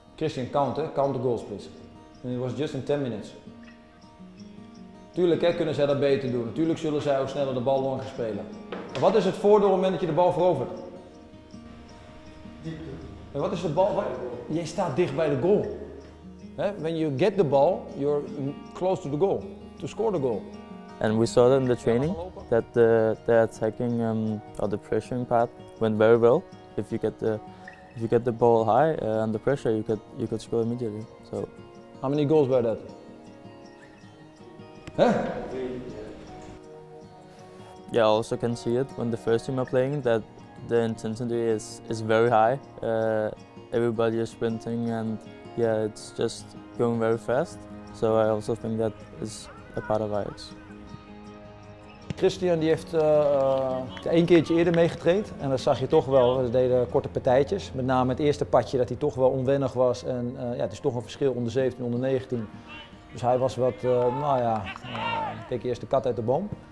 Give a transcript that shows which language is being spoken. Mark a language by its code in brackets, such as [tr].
[en] Christian, count, count the goals please. And it was just in 10 minutes. [nl] Tuurlijk kunnen zij dat beter doen. Natuurlijk zullen zij ook sneller de bal lang gaan spelen. Maar wat is het voordeel op het moment dat je de bal verovert? Diepte. En wat is de bal? Jij staat dicht bij de goal. [en] When you get the ball, you're close to the goal, to score the goal. And we saw that in the training, that the attacking or the pressuring part went very well. If you get the ball high under pressure, you could score immediately. So, how many goals were that? Yeah, I also can see it when the first team are playing that the intensity is very high. Everybody is sprinting and yeah, it's just going very fast. So I also think that is a part of Ajax. [nl] Christian die heeft één keertje eerder meegetraind en dat zag je toch wel. Ze deden korte partijtjes, met name het eerste padje dat hij toch wel onwennig was. En ja, het is toch een verschil onder 17, onder 19. Dus hij was wat, ik keek eerst de kat uit de boom.